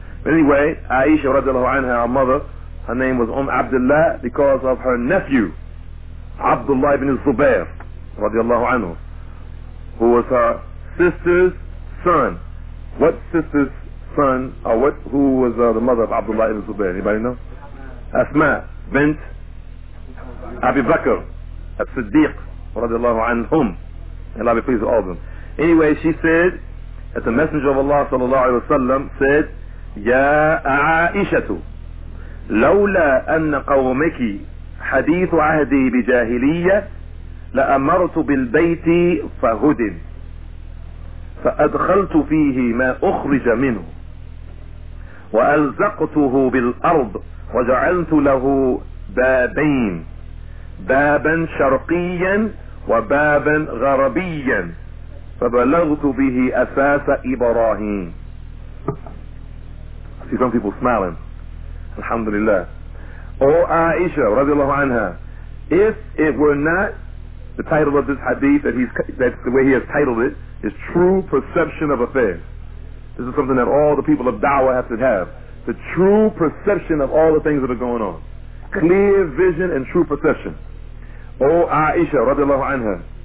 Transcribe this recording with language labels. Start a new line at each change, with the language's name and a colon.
English: But anyway, Aisha radiallahu anha, our mother, her name was Abdullah because of her nephew, Abdullah ibn Zubair radiallahu anhu, who was her sister's son. What sister's son, or what? Who was the mother of Abdullah ibn Zubair? Anybody know? Asma bint Abi Bakr al-Siddiq radiallahu anhum. Allah be pleased with all of them. Anyway, she said that the Messenger of Allah sallallahu alayhi wa sallam said, Ya Aishatu,
Arabic: لولا أن قومك حديث عهدي بجاهلية لأمرت بالبيت فهدن فأدخلت فيه ما أخرج منه وألزقته بالأرض وجعلت له بابين بابا شرقيا وبابا غربيا فبلغت به أساس إبراهيم.
English: See some people smiling. Alhamdulillah. O Aisha radiallahu anha, if it were not the title of this hadith that's the way he has titled it, is true perception of affairs. This is something that all the people of da'wah have to have. The true perception of all the things that are going on. Clear vision and true perception. O Aisha radiallahu anha,